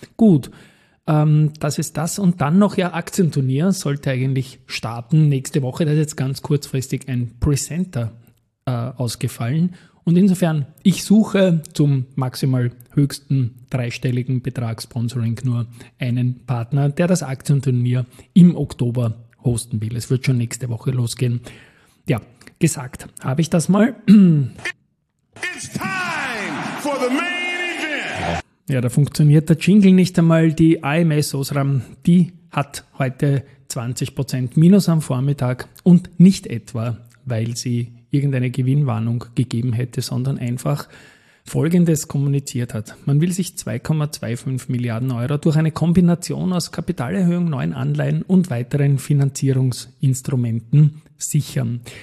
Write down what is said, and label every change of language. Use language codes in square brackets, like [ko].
[de] Gut, das ist das und dann noch ja Aktienturnier sollte eigentlich starten nächste Woche. Da ist jetzt ganz kurzfristig ein Presenter ausgefallen und insofern, ich suche zum maximal höchsten dreistelligen Betrag Sponsoring nur einen Partner, der das Aktienturnier im Oktober hosten will. Es wird schon nächste Woche losgehen. Ja, gesagt habe ich das mal. [en] It's time for the main event. [de] Ja, da funktioniert der Jingle nicht einmal. Die AMS Osram, die hat heute 20% Minus am Vormittag und nicht etwa, weil sie irgendeine Gewinnwarnung gegeben hätte, sondern einfach Folgendes kommuniziert hat. Man will sich 2,25 Milliarden Euro durch eine Kombination aus Kapitalerhöhung, neuen Anleihen und weiteren Finanzierungsinstrumenten sichern.